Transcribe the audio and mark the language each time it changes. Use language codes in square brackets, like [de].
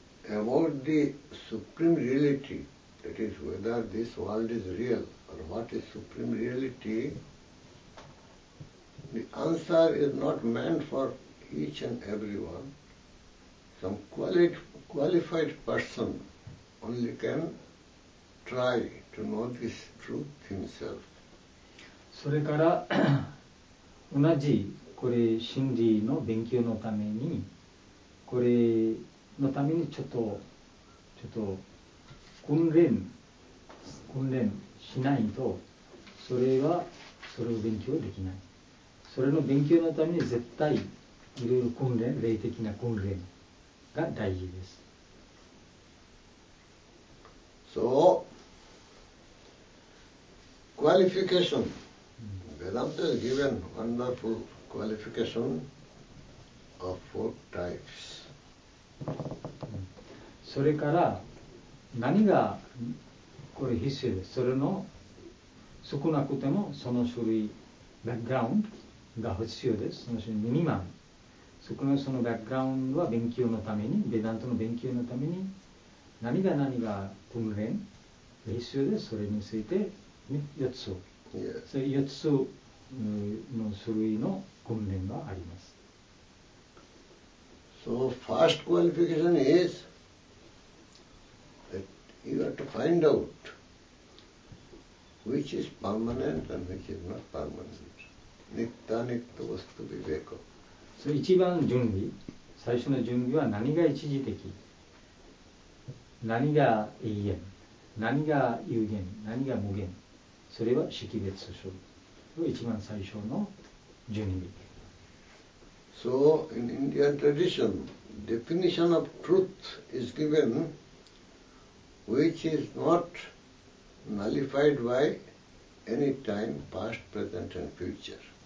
[en] about the supreme reality, that is, whether this world is real or what is supreme reality, the answer is not meant for each and everyone. Some qualified person only can try to know this truth himself. [ja] それから同じこれ真理の勉強のためにこれのためにちょっと訓練しないとそれを勉強できない。それの勉強のために絶対いろいろ訓練、霊的な訓練が大事です。 [en] So, qualification. Vedanta has given wonderful qualification of four types. [ja] それから何がこれ必要です。それの少なくてもその種類、バックグラウンドが必要です。その種類、ミニマム。そこのそのバックグラウンドは勉強のために、ベダントの勉強のために、何が訓練が必要です。それについて、ね、4つ。 [en] Yes. [ja] それ4つの種類の訓練があります。 [en] So, first qualification is that you have to find out which is permanent and which is not permanent. [sa] Nitya nitya vastu viveka. [en] So, [ja] 一番準備、最初の準備は何が一時的、何が永遠、何が有限、何が無限、それは識別する。一番最初の準備。 [en] So, in Indian tradition, definition of truth is given which is not nullified by any time, past, present and future.